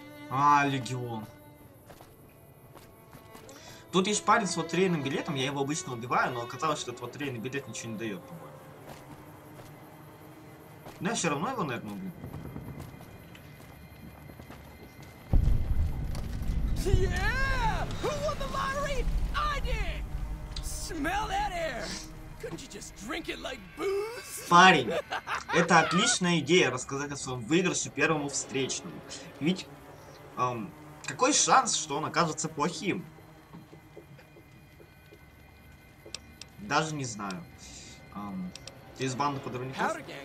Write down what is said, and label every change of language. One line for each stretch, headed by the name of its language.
Russian: А, легион. Тут есть парень с лотерейным билетом, я его обычно убиваю, но оказалось, что этот лотерейный билет ничего не дает, по-моему. Но я все равно его, наверное, убью.
English: Yeah! Who won the lottery? I did! Smell that air! Couldn't you just drink it like booze?
Russian: Парень, это отличная идея рассказать о своем выигрыше первому встречному. Ведь какой шанс, что он окажется плохим? Даже не знаю. Ты из банды подрывников?